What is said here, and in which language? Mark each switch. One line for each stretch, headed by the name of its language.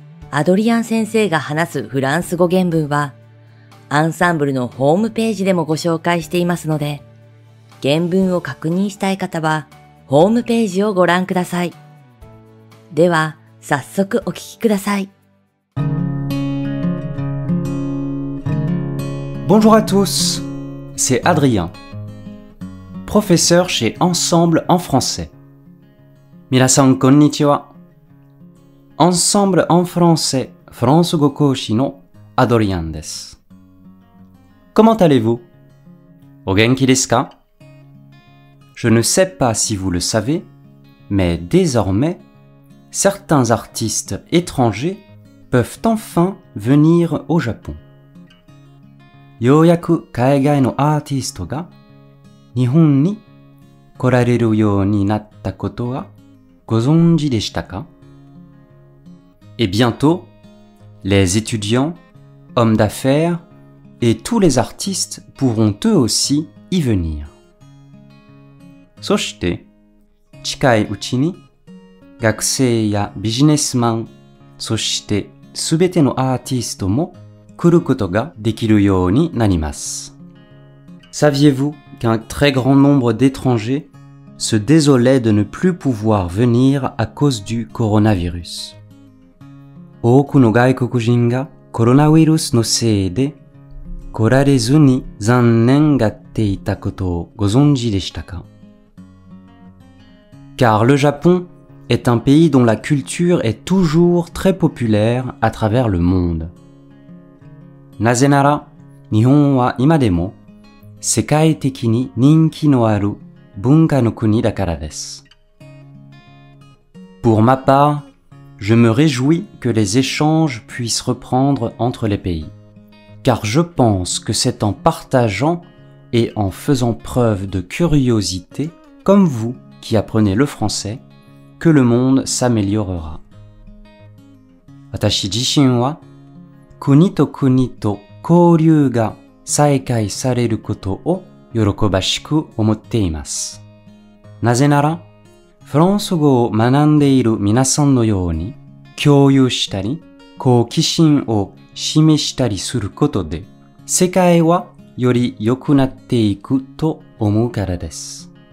Japanese: アドリアン先生が話すフランス語原文はアンサンブルのホームページでもご紹介していますので、原文を確認したい方はホームページをご覧ください。では、早速お聞きください。
French: Bonjour à tous, c'est Adrien, professeur chez Ensemble en français.
Japanese: 皆さん、こんにちは。 Ensemble en français, フランス語講師のアドリアンです。
French: Comment allez-vous?
Japanese: お元気ですか？
French: Je ne sais pas si vous le savez, mais désormais, certains artistes étrangers peuvent enfin venir au Japon.
Japanese: ようやく海外のアーティストが日本に来られるようになったことはご存知でしたか?
French: Et bientôt, les étudiants, hommes d'affaires et tous les artistes pourront eux aussi y venir.
Japanese: そして、近いうちに、学生やビジネスマン、そしてすべてのアーティストも来ることができるようになります。
French: Saviez-vous qu'un très grand nombre d'étrangers se désolaient de ne plus pouvoir venir à cause du coronavirus?
Japanese: 多くの外国人がコロナウイルスのせいで来られずに残念がっていたことをご存知でしたか?
French: Car le Japon est un pays dont la culture est toujours très populaire à travers le monde.
Japanese: なぜなら、日本は今でも世界的に人気のある文化の国だからです。
French: Pour ma part, je me réjouis que les échanges puissent reprendre entre les pays. Car je pense que c'est en partageant et en faisant preuve de curiosité comme vous. Qui apprenait le français, que le monde s'améliorera.
Japanese: 私自身は国と国と交流が再開されることを喜ばしく思っています。なぜなら、フランス語を学んでいる皆さんのように共有したり、好奇心を示したりすることで、世界はより良くなっていくと思うからです。